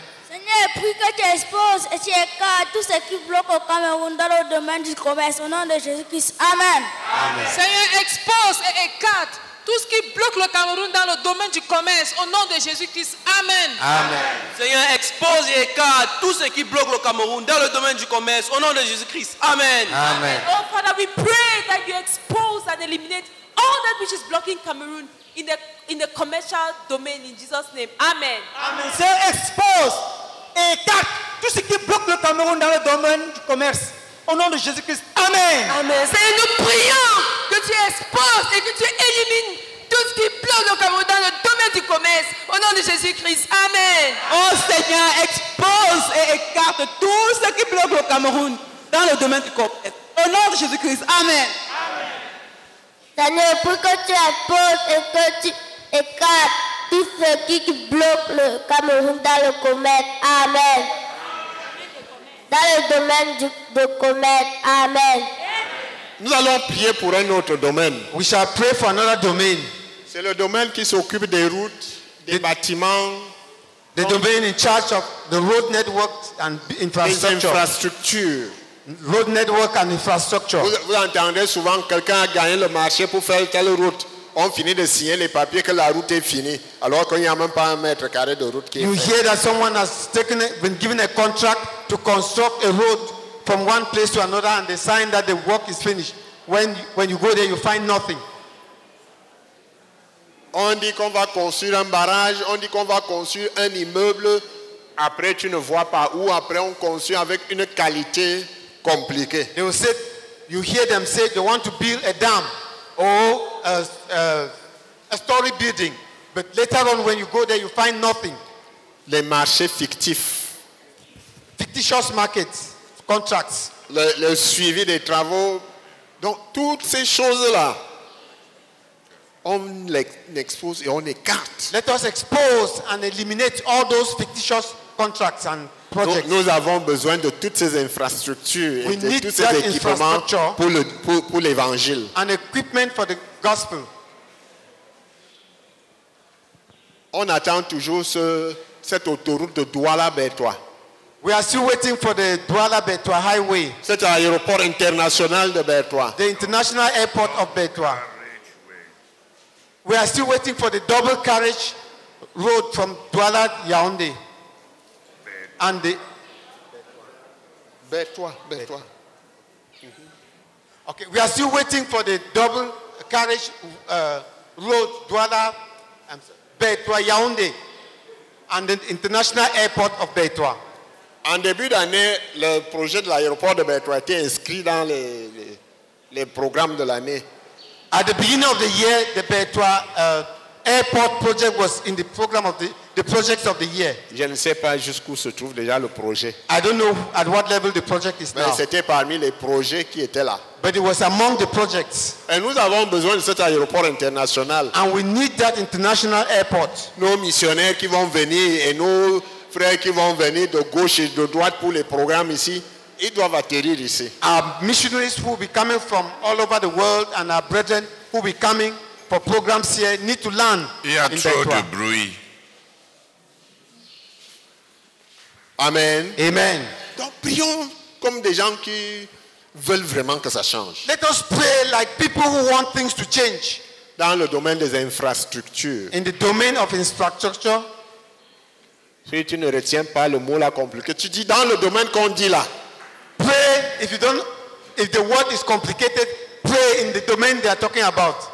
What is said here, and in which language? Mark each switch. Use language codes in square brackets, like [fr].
[fr] Seigneur, prie que tu exposes et tu écartes tout ce qui bloque au Cameroun dans le domaine du commerce, au nom de Jésus-Christ. Amen. Amen. Seigneur, expose et écarte tout ce qui bloque le Cameroun dans le domaine du commerce, au nom de Jésus-Christ. Amen. Amen. Seigneur, expose et écarte tout ce qui bloque le Cameroun dans le domaine du commerce, au nom de Jésus-Christ. Amen. Amen. [en] Oh, Father, we pray that you expose and eliminate all that which is blocking Cameroon in the commercial domain, in Jesus' name. Amen. Amen. [fr] Seigneur, expose et écarte tout ce qui bloque le Cameroun dans le domaine du commerce, au nom de Jésus-Christ. Amen. Amen. Seigneur, nous prions que tu exposes et que tu élimines tout ce qui bloque le Cameroun dans le domaine du commerce, au nom de Jésus-Christ. Amen. Oh Seigneur, expose et écarte tout ce qui bloque le Cameroun dans le domaine du commerce, au nom de Jésus-Christ. Amen. Seigneur, pour que tu exposes et que tu écartes tout ce qui bloque le Cameroun dans le commerce. Amen. Dans le domaine du commerce. Amen. Nous allons prier pour un autre domaine. [en] We shall pray for another domain. [fr] C'est le domaine qui s'occupe des routes, des bâtiments. [en] The domain in charge of the road network and infrastructure. Road network and infrastructure. [fr] Vous entendez souvent quelqu'un a gagné le marché pour faire telle route. On finit de signer les papiers que la route est finie, alors qu'il n'y a même pas un mètre carré de route qui est fait. [en] You hear that someone has been given a contract to construct a road from one place to another, and they sign that the work is finished. When you go there, you find nothing. [fr] On dit qu'on va construire un barrage, on dit qu'on va construire un immeuble. Après, tu ne vois pas où. Après, on construit avec une qualité compliqué. [en] They will say, you hear them say they want to build a dam or a story building, but later on when you go there you find nothing. [fr] Les marchés fictifs. [en] Fictitious markets, contracts. [fr] Le suivi des travaux. Donc toutes ces choses-là, on expose et on écarte. [en] Let us expose and eliminate all those fictitious contracts and projects. [fr] Nous avons besoin de toutes ces infrastructures et de tous ces équipements pour l'évangile. [en] And equipment for the gospel. [fr] On attend toujours cette autoroute de Douala-Bétoua. [en] We are still waiting for the Douala-Bétoua highway. [fr] Cet aéroport international de Bétoua. [en] The international airport of Bétoua. We are still waiting for the double carriage road from Douala Yaoundé. And the Bétoua. Mm-hmm. Okay, we are still waiting for the double carriage road, Douala, Bétoua, Yaoundé, and the international airport of Bétoua. [fr] En début d'année, le projet de l'aéroport de Bétoua était inscrit dans les programmes de l'année. [en] At the beginning of the year, the Bétoua airport project was in the program of the projects of the year. [fr] Je ne sais pas jusqu'où se trouve déjà le projet. [en] I don't know at what level the project is [fr] Mais [en] now. [fr] Mais c'était parmi les projets qui étaient là. [en] But it was among the projects. [fr] Et nous avons besoin de cet aéroport international. [en] And we need that international airport. [fr] Nos missionnaires qui vont venir et nos frères qui vont venir de gauche et de droite pour les programmes ici. Ils doivent atterrir ici. [en] Our missionaries who will be coming from all over the world and our brethren who will be coming for programs here need to land. [fr] Il y a trop de bruit. Amen. Amen. Donc prions comme des gens qui veulent vraiment que ça change. [en] Let us pray like people who want things to change. [fr] Dans le domaine des infrastructures. [en] In the domain of infrastructure. [fr] Si tu ne retiens pas le mot là compliqué, tu dis dans le domaine qu'on dit là. [en] Pray if you don't, if the word is complicated, pray in the domain they are talking about.